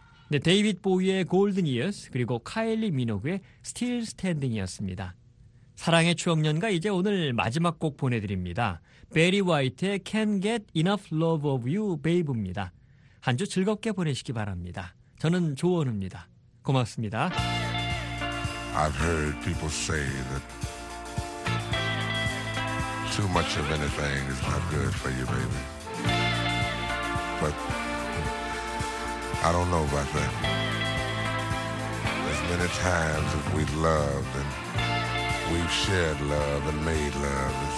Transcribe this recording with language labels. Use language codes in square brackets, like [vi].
[ko] 네, 데이빗 보위의 골든 이어스 그리고 카일리 미노그의 스틸 스탠딩이었습니다. 사랑의 추억년과 이제 오늘 마지막 곡 보내드립니다. 베리 화이트의 Can't Get Enough Love of You, Babe입니다. 한 주 즐겁게 보내시기 바랍니다. 저는 조원우입니다. 고맙습니다. [en] I've heard people say that too much of anything is not good for you, baby. But I don't know about that. There's many times that we've loved and we've shared love and made love.